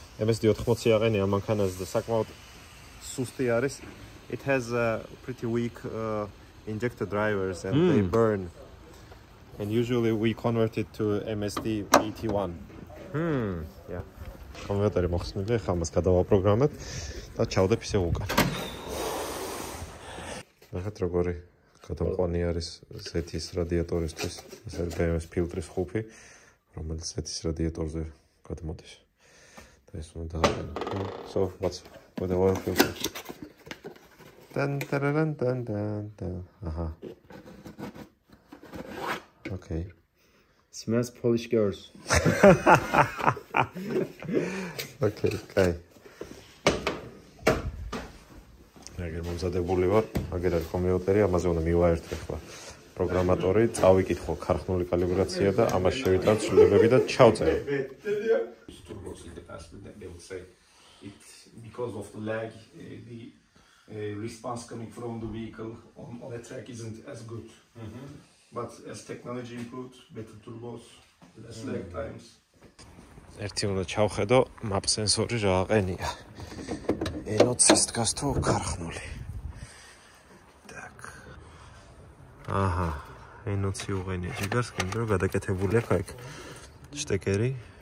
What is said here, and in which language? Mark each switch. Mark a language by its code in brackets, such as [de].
[ka] MSD-80 აღენია მანქანაზე და საკმაოდ სუსტი არის. [en] It has pretty weak injector drivers and they burn. And usually we convert it to MSD-81. Yeah. [ka] კომპიუტერი მოხსნილი, ახლა მას გადავაპროგრამებ და ჩავდებ ისე უკან. ნახეთ როგორი გადამყვანი არის ზეთის რადიატორისთვის, ეს არის BMS ფილტრის ხუფი, რომელიც ზეთის რადიატორზე გადმოდის. და ეს უნდა დააყენო. [en] So what's with the oil filter? Dan dan dan dan dan. Aha. Okay. Smells Polish girls. Okay, okay. [ka] აგერ მომზადებული ვარ, აგერ არის კომპიუტერი, ამაზე უნდა მივაერთო ახლა პროგრამატორი, წავიკითხო ქარხნული კალიბრაცია და ამას შევიტან ცვლილებები და ჩავწერო. [en] Turbo cycle test and they will say it's because of the lag, the response coming from the vehicle on the track isn't as good. But as technology improved, better turbos, less lag times. [ka] ერთი უნდა ჩავხედო map sensor-ი რა აყენია. N20-ის დგას თუ ქარხნული. [ru] Так. Ага. [ka] N20 უღენია ჯიგარს, კიდე რომ გადაკეთებული აქვს აქ შტეკერი.